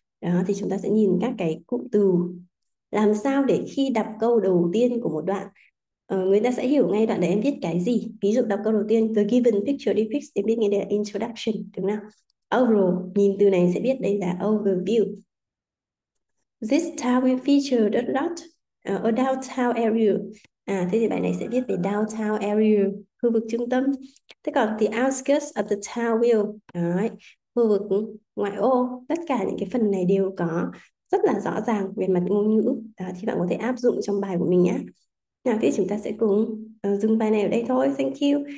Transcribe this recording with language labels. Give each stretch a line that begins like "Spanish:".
Vietnamese: Đó, thì chúng ta sẽ nhìn các cái cụm từ. Làm sao để khi đọc câu đầu tiên của một đoạn, người ta sẽ hiểu ngay đoạn đấy em viết cái gì. Ví dụ đọc câu đầu tiên,
English: the given picture depicts,
Vietnamese: em biết ngay đây là introduction, đúng không? Overall, nhìn từ này sẽ biết đây là overview.
English: This town will feature a lot a downtown area.
Vietnamese: À, thế thì bài này sẽ viết về downtown area, khu vực trung tâm. Thế còn
English: the outskirts of the town will,
Vietnamese: đấy, khu vực ngoại ô, tất cả những cái phần này đều có rất là rõ ràng về mặt ngôn ngữ. Đó, thì bạn có thể áp dụng trong bài của mình nhé. Nào, thì chúng ta sẽ cùng dừng bài này ở đây thôi.
English: Thank you.